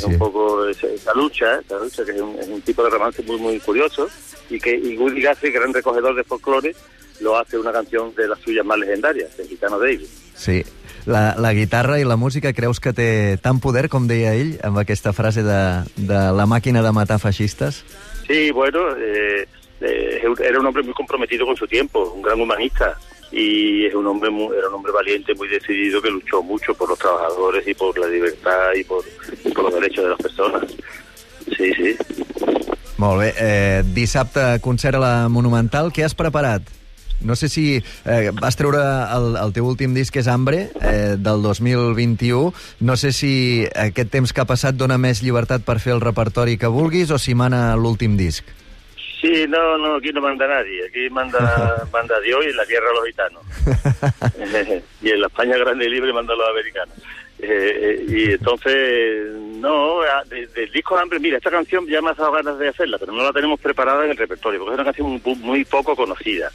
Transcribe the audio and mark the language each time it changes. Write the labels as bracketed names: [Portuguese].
[Spanish] un poco esa lucha que es un tipo de romance muy muy curioso y Woody Guthrie, gran recogedor de folclore, lo hace una canción de las suyas más legendarias, el gitano David. Sí. [Catalan] La guitarra i la música, creus que té tant poder, com deia ell, amb aquesta frase de la màquina de matar feixistes? [Spanish] Sí, bueno, era un hombre muy comprometido con su tiempo, un gran humanista, y era un hombre valiente, muy decidido, que luchó mucho por los trabajadores y por la libertad y por los derechos de las personas. Sí, sí. [Catalan] Molt bé. Dissabte, concert a la Monumental. Què has preparat? No sé si vas treure el teu últim disc, que és Hambre, del 2021. No sé si aquest temps que ha passat dona més llibertat per fer el repertori que vulguis o si mana l'últim disc. [Spanish] Sí, no, aquí no manda nadie. Aquí manda Dios y la tierra a los gitanos. Y en la España grande y libre manda a los americanos. Y entonces, no, del disco Hambre, mira, esta canción ya me ha dado ganas de hacerla, pero no la tenemos preparada en el repertorio, porque es una canción muy poco conocida.